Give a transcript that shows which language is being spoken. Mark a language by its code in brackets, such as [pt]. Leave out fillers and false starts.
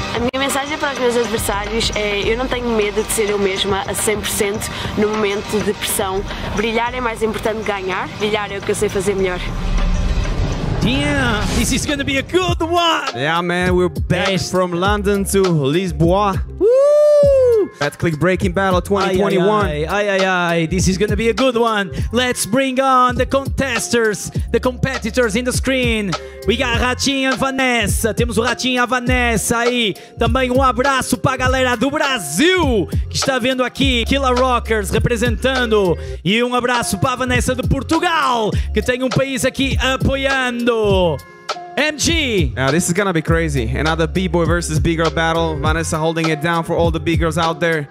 [pt] A mensagem para os meus adversários é: eu não tenho medo de ser eu mesma a 100% no momento de pressão. Brilhar é mais importante que ganhar. Brilhar é o que eu sei fazer melhor. [en] Damn, this is gonna be a good one! Yeah, man, we're back from London to Lisboa. Betclic Breaking Battle 2021. Ay, this is gonna be a good one. Let's bring on the contesters, the competitors in the screen. We got Ratinho and Vanessa. [pt] Temos o Ratinho e a Vanessa aí. Também um abraço para a galera do Brasil que está vendo aqui. Killer Rockers representando. E um abraço para a Vanessa de Portugal, que tem um país aqui apoiando. MG. [en] Now this is gonna be crazy. Another B-boy versus B-girl battle. Vanessa holding it down for all the B-girls out there.